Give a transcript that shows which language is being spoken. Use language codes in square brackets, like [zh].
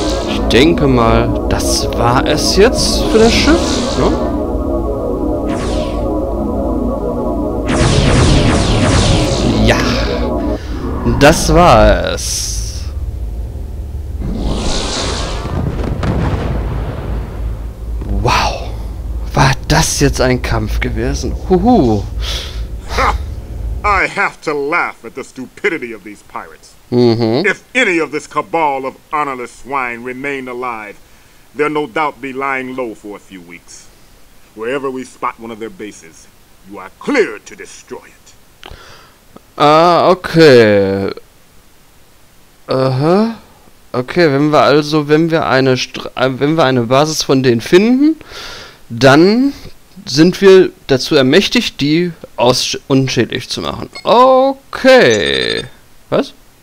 [de] Ich denke mal, das war es jetzt für das Schiff, ne? Ja, das war es. Wow, war das jetzt ein Kampf gewesen? Huhu. [en] I have to laugh at the stupidity of these pirates. If any of this cabal of honorless swine remain alive, they'll no doubt be lying low for a few weeks. Wherever we spot one of their bases, you are clear to destroy it. Okay. [de] Okay, wenn wir eine Basis von denen finden, dann sind wir dazu ermächtigt, die unschädlich zu machen. Okay. Was?